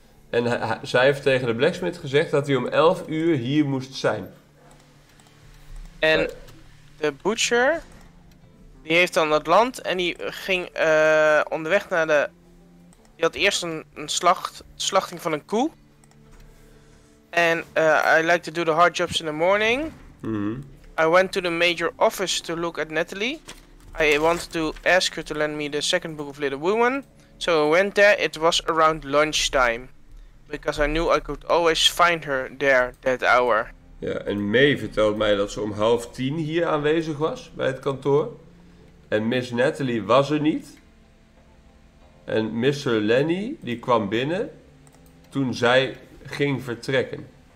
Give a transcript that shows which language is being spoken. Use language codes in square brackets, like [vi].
[nl] En zij heeft tegen de blacksmith gezegd dat hij om 11 uur hier moest zijn. En de butcher, die heeft dan het land en die ging onderweg naar de... Die had eerst een slachting van een koe. [en] En I like to do the hard jobs in the morning. I went to the major office to look at Natalie. I wanted to ask her to lend me the second book of Little Women. So I went there, it was around lunchtime. Because I knew I could always find her there that hour. [nl] Ja, en May vertelt mij dat ze om 9:30 hier aanwezig was bij het kantoor. En Miss Natalie was er niet. En Mr. Lenny, die kwam binnen toen zij ging vertrekken.